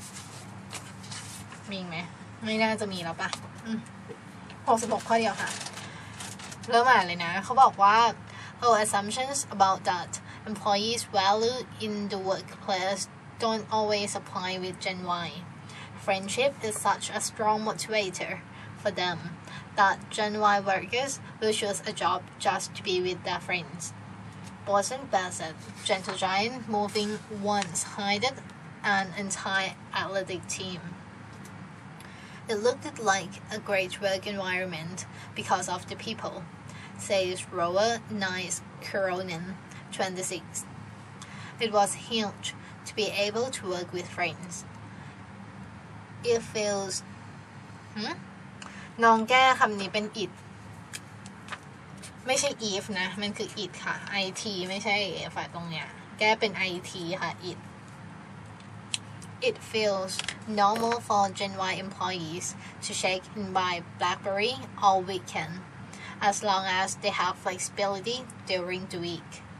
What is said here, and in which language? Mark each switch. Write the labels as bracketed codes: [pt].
[th] 66มีไหมไม่น่าจะมีแล้วปะ66ข้อเดียวค่ะเริ่มอ่านเลยนะเขาบอกว่า [en] Our assumptions about that employees value in the workplace don't always apply with Gen Y. Friendship is such a strong motivator for them that Gen Y workers will choose a job just to be with their friends. Boston Bassett, Gentle Giant Moving once hired an entire athletic team. It looked like a great work environment because of the people, says Roa Nice Kuronen, 26. It was huge to be able to work with friends. It feels... [th] น้องแก้คำนี้เป็น it ไม่ใช่ if นะมันคือ it ค่ะ it [en] ไม่ใช่ if ตรงเนี้ยแก้เป็น it ค่ะ itIt feels normal for Gen Y employees to check in by BlackBerry all weekend, as long as they have flexibility during the week.